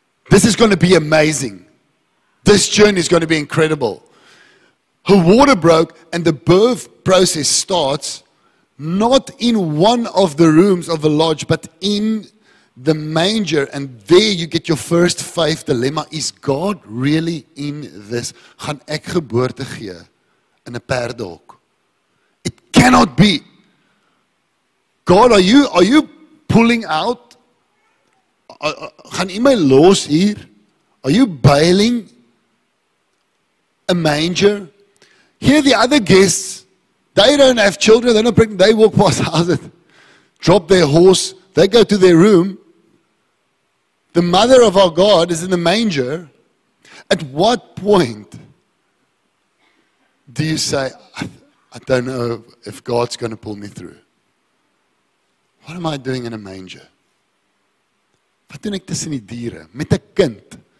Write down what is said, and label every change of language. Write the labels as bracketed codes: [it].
[en] This is going to be amazing. This journey is going to be incredible. Her water broke, and the birth process starts not in one of the rooms of the lodge, but in the manger. And there you get your first faith dilemma. Is God really in this? [af] Gaan ek geboorte gee in 'n perdhok? [en] It cannot be. God, are you pulling out? [af] Gaan u my los hier? [en] Are you bailing a manger? Here the other guests, they don't have children, they're not pregnant, they walk past houses, drop their horse, they go to their room. The mother of our God is in the manger. At what point do you say, I don't know if God's going to pull me through? What am I doing in a manger? [af] Wat doen ek tussen die diere met 'n kind?